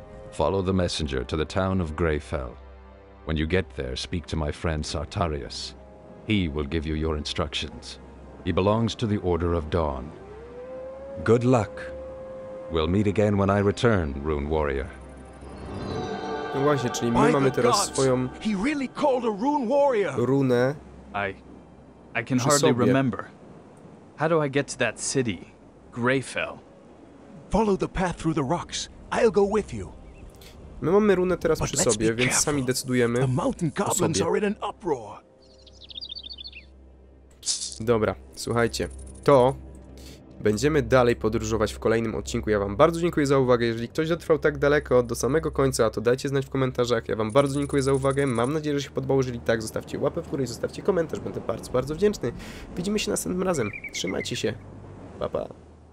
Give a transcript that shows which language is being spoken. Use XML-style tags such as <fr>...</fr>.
<en>Follow the messenger to the town of Greyfell. When you get there, speak to my friend Sartarius. He will give you your instructions. He belongs to the Order of Dawn. Good luck. We'll meet again when I return, Rune Warrior.</en> <pl>No właśnie, czyli my mamy teraz swoją.</pl> <en>He really called a Rune Warrior.</en> <pl>Runę.</pl> <en>I can hardly remember. How do I get to that city? Greyfell. Follow the path through the rocks. I'll go with you.</en> <pl>My mamy runę teraz przy sobie, więc sami decydujemy.</pl> <en>The mountain goblins are in an uproar.</en> <pl>Dobra, słuchajcie, to będziemy dalej podróżować w kolejnym odcinku. Ja wam bardzo dziękuję za uwagę. Jeżeli ktoś dotrwał tak daleko do samego końca, to dajcie znać w komentarzach. Ja wam bardzo dziękuję za uwagę. Mam nadzieję, że się podobało. Jeżeli tak, zostawcie łapę w górę i zostawcie komentarz. Będę bardzo, bardzo wdzięczny. Widzimy się następnym razem. Trzymajcie się. Pa, pa.</pl>